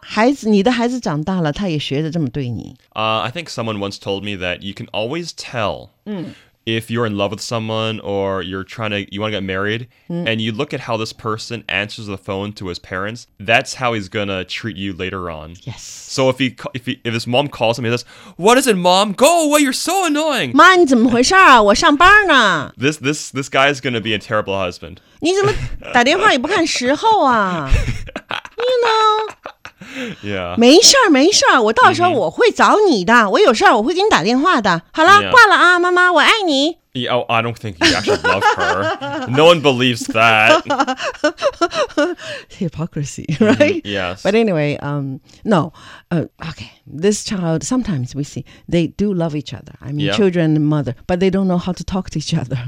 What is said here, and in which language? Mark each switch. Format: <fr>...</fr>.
<zh>孩子你的孩子长大了他也学着这么对你、</zh> <en>I think someone once told me that you can always tell、if you're in love with someone or you want to get married、and you look at how this person answers the phone to his parents, that's how he's going to treat you later on. Yes. So if his mom calls him, he says, what is it, mom? Go away, you're so annoying.</en> <zh>妈你怎么回事啊我上班呢</zh> <en>This guy is going to be a terrible husband.</en> <zh>你怎么打电话也不看时候啊</zh> <en>You know? Yeah.</en> <zh>没事儿没事儿我到时候我会找你的、mm-hmm. 我有事儿我会给你打电话的。好了、yeah. 挂了啊妈妈我爱你。</zh> <en>Yeah, oh, I don't think he actually loved her. No one believes that. Hypocrisy, right?、 Mm-hmm. Yes. But anyway, no.、okay, this child, sometimes we see, they do love each other. I mean,、yeah. children and mother, but they don't know how to talk to each other.、</en>